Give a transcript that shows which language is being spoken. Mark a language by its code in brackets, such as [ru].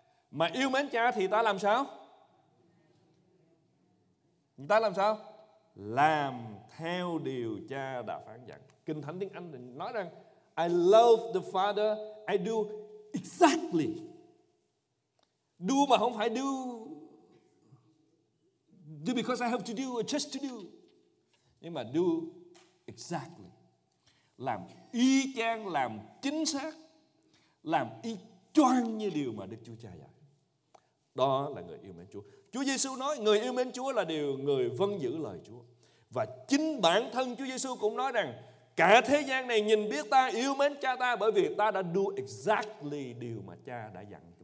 [vi] Mà yêu mến cha thì ta làm sao? Ta làm sao? Làm theo điều cha đã phán dạy. Kinh Thánh tiếng Anh nói rằng [en] I love the Father, I do exactly. [vi] Do mà không phải do. [en] Do because I have to do or just to do. [vi] Nhưng mà [en] do exactly. [vi] Làm y chang, làm chính xác, làm y choang như điều mà Đức Chúa Cha dạy. Đó là người yêu mến Chúa. Chúa Giê-xu nói người yêu mến Chúa là điều người vâng giữ lời Chúa. Và chính bản thân Chúa Giê-xu cũng nói rằng cả thế gian này nhìn biết ta yêu mến cha ta bởi vì ta đã [en] do exactly [vi] điều mà cha đã dặn.